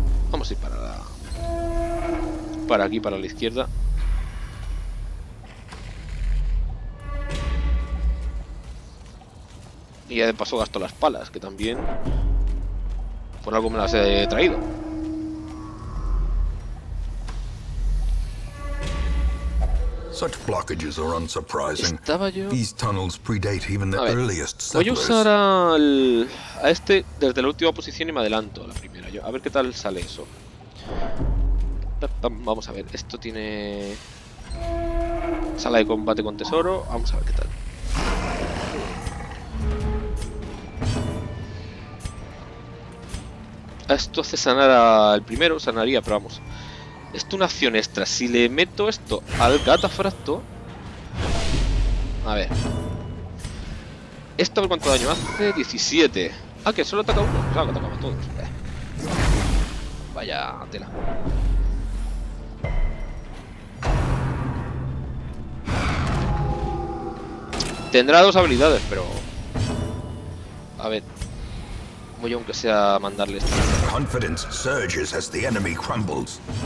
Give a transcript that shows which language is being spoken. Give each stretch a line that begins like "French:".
Spanish: Vamos a ir para la... para aquí, para la izquierda. Y ya de paso gasto las palas, que también por algo me las he traído.
English: Such blockages are unsurprising.
Spanish: Estaba yo...
English: These tunnels predate even the earliest settlers.
Spanish: Voy a usar a este desde la última posición y me adelanto a la primera. A ver qué tal sale eso. Vamos a ver, esto tiene sala de combate con tesoro. Vamos a ver qué tal. Esto hace sanar al primero, sanaría, pero vamos. Esto es una acción extra. Si le meto esto al catafracto. A ver. Esto a ver cuánto daño hace. 17. Ah, que solo ataca uno. Claro que atacamos todos. Vaya tela. Tendrá dos habilidades, pero. A ver. Voy aunque sea a mandarle esta.
English: Confidence surges as the enemy crumbles.